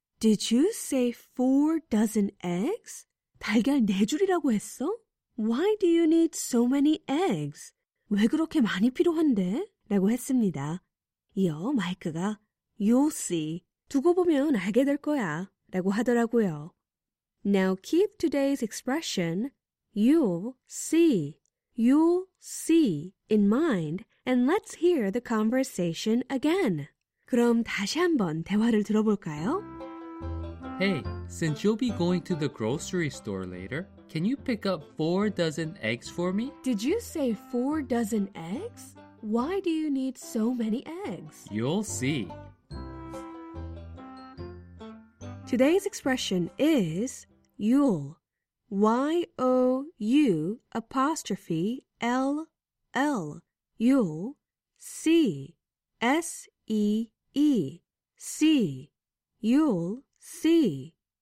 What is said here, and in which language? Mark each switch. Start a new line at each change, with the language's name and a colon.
English: Did you say four dozen eggs?
Korean: 달걀 네 줄이라고 했어?
English: Why do you need so many eggs?
Korean: 왜 그렇게 많이 필요한데? 라고 했습니다. 이어 마이크가
English: You'll see.
Korean: 두고 보면 알게 될 거야 라고 하더라고요.
English: Now keep today's expression you'll see in mind and let's hear the conversation again.
Korean: 그럼 다시 한번 대화를 들어볼까요?
English: Hey, since you'll be going to the grocery store later, can you pick up four dozen eggs for me? Did you say four dozen eggs? Why do you need so many eggs? You'll see. Today's expression is you'll, Y-O-U'll, you'll, see, S-E-E, see, you'll see